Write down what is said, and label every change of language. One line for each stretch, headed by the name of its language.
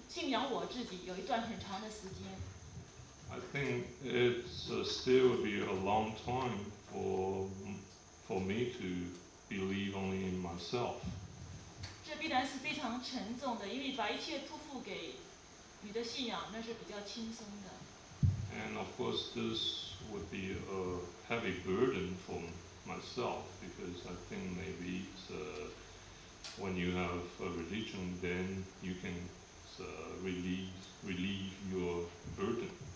Chinese: 我必须还信仰我自己有一段很长的时间。
English: I think it's still be a long time for me to believe only in myself.
Chinese: 这必然是非常沉重的，因为把一切托付给你的信仰，那是比较轻松的。
English: And of course, this would be a heavy burden for myself, because I think maybe when you have a religion, then you can relieve your burden.